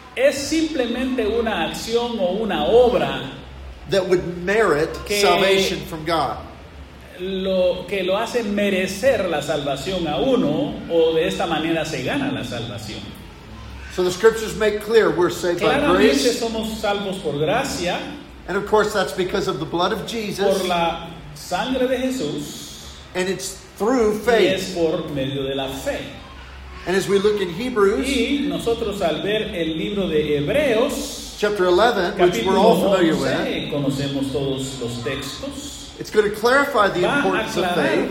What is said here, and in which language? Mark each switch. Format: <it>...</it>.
<es>es simplemente una acción o una obra</es> <en>that would merit</en> <es>que</es> <en>salvation from God.</en> <es>Lo, que lo hace merecer la salvación a uno o de esta manera se gana la salvación.</es> <en>So the scriptures make clear we're saved</en> <es>claramente</es> <en>by grace.</en> <es>Somos salvos por gracia.</es> <en>And of course that's because of the blood of Jesus.</en> <es>Por la sangre de Jesús.</es> <en>And it's through faith.</en> <es>Y es por medio de la fe.</es> <en>And as we look in Hebrews.</en> <es>Y nosotros al ver el libro de Hebreos.</es> <en>Chapter 11, which we're all familiar 11,</en> <es>Conocemos todos los textos.</es> <en>It's going to clarify the importance of faith.</en>